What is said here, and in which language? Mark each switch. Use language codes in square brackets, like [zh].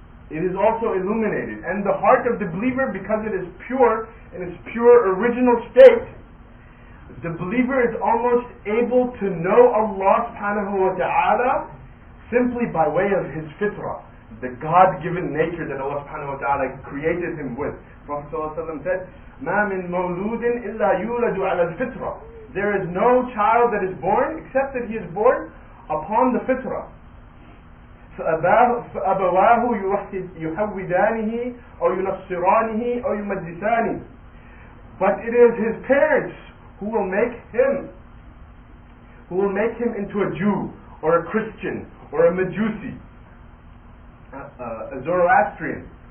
[en] It is also illuminated. And the heart of the believer, because it is pure, in its pure original state, the believer is almost able to know Allah subhanahu wa ta'ala simply by way of his fitrah, the God-given nature that Allah subhanahu wa ta'ala created him with. Prophet sallallahu alaihi wasallam said, [ar] مَا مِن مَوْلُودٍ إِلَّا يُولَدُ عَلَى الْفِطْرَةِ. [en] There is no child that is born except that he is born upon the fitrah. [ar] فَأَبَوَاهُ يُحَوِّدَانِهِ أَوْ يُنَصِّرَانِهِ أَوْ يُمَجِّسَانِهِ. [en] But it is his parents who will make him into a Jew or a Christian or a Majusi, a Zoroastrian.